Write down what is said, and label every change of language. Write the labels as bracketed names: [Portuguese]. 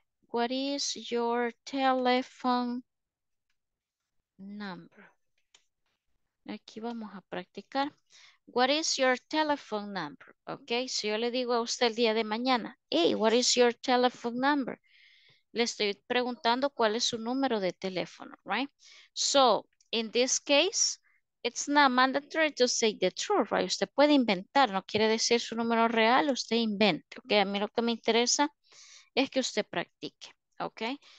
[English] What is your telephone number? [Spanish] Aquí vamos a practicar. [English] What is your telephone number? [Spanish] Okay, si yo le digo a usted el día de mañana, hey, [English] what is your telephone number? [Spanish] Le estoy preguntando cuál es su número de teléfono, right? [English] So, in this case, it's not mandatory to say the truth, right? [Spanish] Usted puede inventar, no quiere decir su número real, usted invente, okay? A mí lo que me interesa es que usted practique, okay?